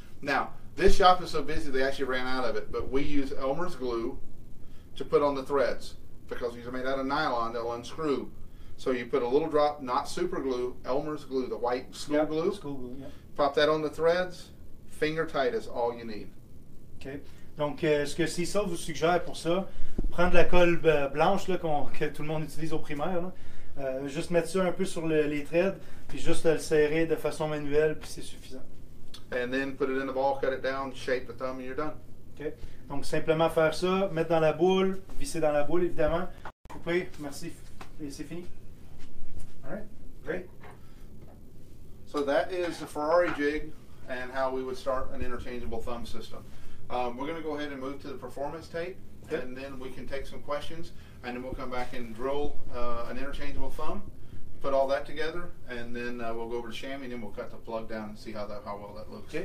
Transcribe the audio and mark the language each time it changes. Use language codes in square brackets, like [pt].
[en] Now, this shop is so busy they actually ran out of it, but we use Elmer's glue to put on the threads because these are made out of nylon, they'll unscrew. So you put a little drop, not super glue, Elmer's glue, the white school glue. School glue, yeah. Pop that on the threads, finger tight is all you need. Okay. [fr] Donc, ce que Cecil vous suggère pour ça, prendre la colle blanche là, que tout le monde utilise au primaire, là. Juste mettre ça un peu sur les threads, puis juste le serrer de façon manuelle, puis c'est suffisant. [en] And then put it in the ball, cut it down, shape the thumb, and you're done. Okay. [fr] Donc simplement faire ça, mettre dans la boule, visser dans la boule évidemment, couper, merci, et c'est fini. [en] Alright, great. So that is the Ferrari jig and how we would start an interchangeable thumb system. We're going to go ahead and move to the performance tape, okay. And then we can take some questions. And then we'll come back and drill an interchangeable thumb, put all that together, and then we'll go over to Shammy, and then we'll cut the plug down and see how well that looks.